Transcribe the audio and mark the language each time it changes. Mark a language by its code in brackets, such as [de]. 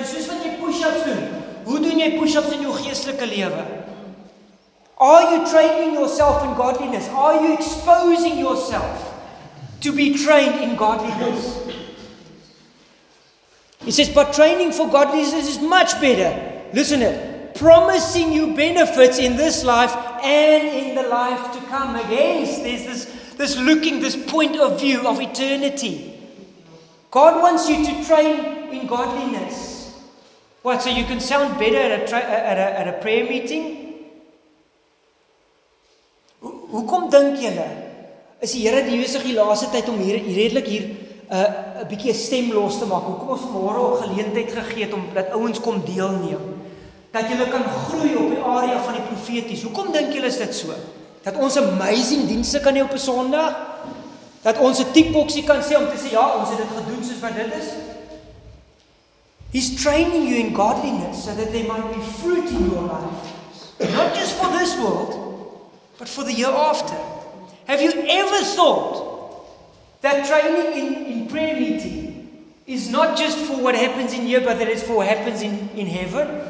[af] So soos wat jy push-ups doen. Hoe doen jy push-ups in jou geestelike lewe? [en] Are you training yourself in godliness? Are you exposing yourself to be trained in godliness? He says, but training for godliness is much better. Listen to it. Promising you benefits in this life and in the life to come. Again, there's this looking, this point of view of eternity. God wants you to train in godliness. What, so you can sound better at a prayer meeting? [af] Hoekom dink julle? Is die Here besig die laaste tyd om hier redelik hier 'n bietjie stem los te maak? Hoekom ons vanmôre 'n geleentheid gegee het om dat ouens kom deelneem? Dat julle kan groei op die area van die profeties. Hoekom dink julle is dit so? Dat ons amazing dienste kan hê op 'n Sondag? Dat ons 'n tipboksie kan sê om te sê ja, ons het dit gedoen soos wat dit is? [en] He's training you in godliness so that there might be fruit in your life. Not just for this world, but for the year after. Have you ever thought that training in prayer meeting is not just for what happens in here, but that it's for what happens in heaven?